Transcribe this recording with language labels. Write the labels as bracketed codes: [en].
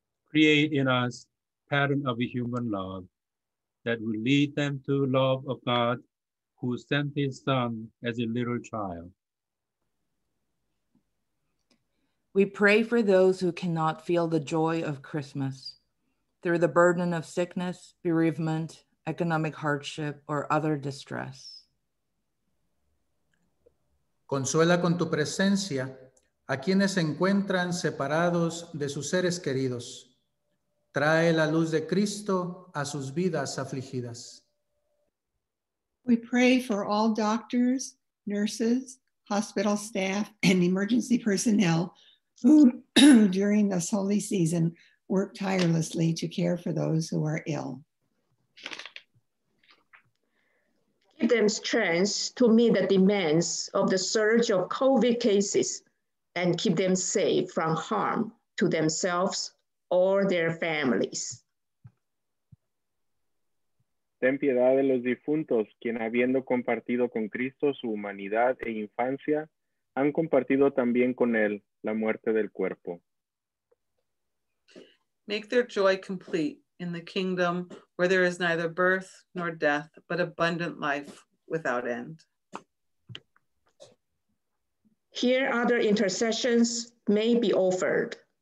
[en] Create in us a pattern of human love that will lead them to love of God, who sent his son as a little child. We pray for those who cannot feel the joy of Christmas through the burden of sickness, bereavement, economic hardship, or other distress. [es] Consuela con tu presencia a quienes se encuentran separados de sus seres queridos. Trae la luz de Cristo a sus vidas afligidas. [en] We pray for all doctors, nurses, hospital staff, and emergency personnel who, during this holy season, work tirelessly to care for those who are ill. Give them strength to meet the demands of the surge of COVID cases and keep them safe from harm to themselves or their families. [es] Ten piedad de los difuntos, quien habiendo compartido con Cristo su humanidad e infancia, han compartido también con él la muerte del cuerpo. [en] Make their joy complete in the kingdom where there is neither birth nor death, but abundant life without end. Here other intercessions may be offered.